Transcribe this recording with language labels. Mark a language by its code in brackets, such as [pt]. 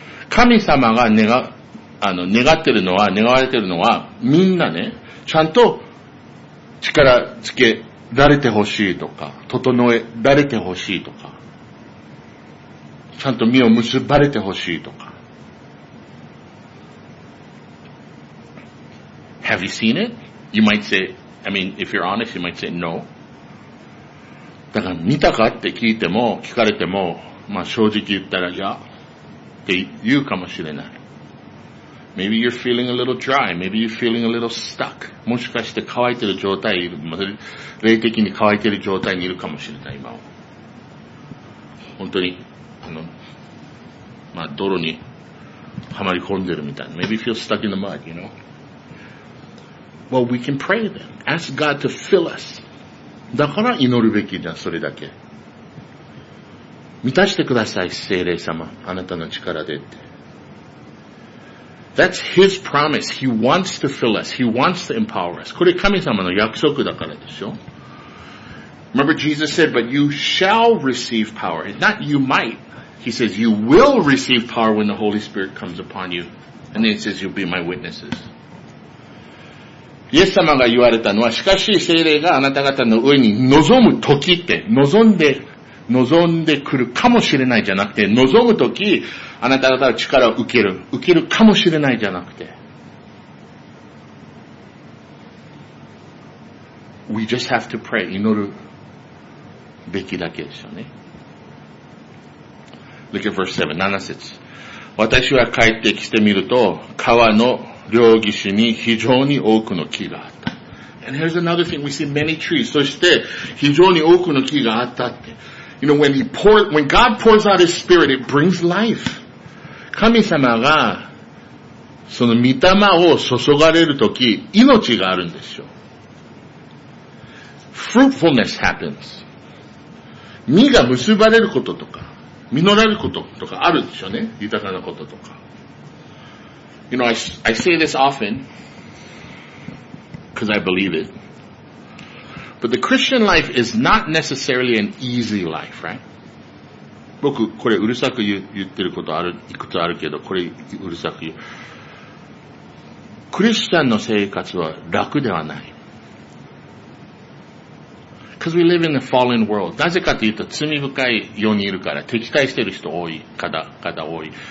[ja] 神様が願われてるのは、みんなね、ちゃんと力つけられてほしいとか、整えられてほしいとか、ちゃんと身を結ばれてほしいとか。 [en] Have you seen it? You might say, I mean, if you're honest, you might say no. [ja] だから見たかって聞いても、聞かれても、まあ正直言ったらいや、って言うかもしれない。 [en] Maybe you're feeling a little dry. Maybe you're feeling a little stuck. [ja] もしかして乾いてる状態にいる、霊的に乾いてる状態にいるかもしれない、今は。本当に、まあ泥にはまり込んでるみたいな。 [en] Maybe you feel stuck in the mud, you know? Well, we can pray then. Ask God to fill us. [ja] だから祈るべきじゃん、それだけ。満たしてください、聖霊様。あなたの力でって。 [en] That's His promise. He wants to fill us. He wants to empower us. [ja] これ神様の約束だからでしょ。 [en] Remember Jesus said, but you shall receive power. Not you might. He says, you will receive power when the Holy Spirit comes upon you. And then he says, you'll be my witnesses. [ja] イエス様が言われたのは、しかし聖霊があなた方の上に望む時って、望んでくるかもしれないじゃなくて、望む時、あなた方の力を受けるかもしれないじゃなくて。 [en] We just have to pray, [ja] 祈るべきだけですよね。 [en] Look at verse 7, 7節。 [ja] 私は帰ってきてみると、川の両岸に非常に多くの木があった。 [en] And here's another thing, we see many trees. [ja] そして、非常に多くの木があったって。 [en] You know, when God pours out His Spirit, it brings life. [ja] 神様が、その御霊を注がれるとき、命があるんですよ。 [en] Fruitfulness happens. [ja] 実が結ばれることとか、実られることとかあるでしょうね。豊かなこととか。 [en] You know, I say this often, because I believe it. But the Christian life is not necessarily an easy life, right? [ja] 僕、これうるさく言ってることある、いくつあるけど、これうるさく言う。クリスチャンの生活は楽ではない。 [en] Because we live in a fallen world. [ja] なぜかというと、罪深い世にいるから、敵対してる人多い、方多い。